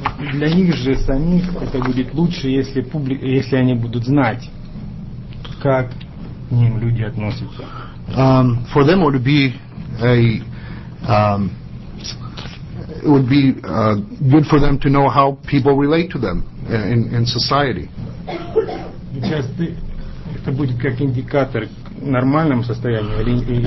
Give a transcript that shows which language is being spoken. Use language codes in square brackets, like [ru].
[ru] Для них же самих это будет лучше, если публика, если они будут знать, как к ним люди относятся. [en] For them would be a it would be good for them to know how people relate to them in society. [ru] Это будет как индикатор нормальном состоянии или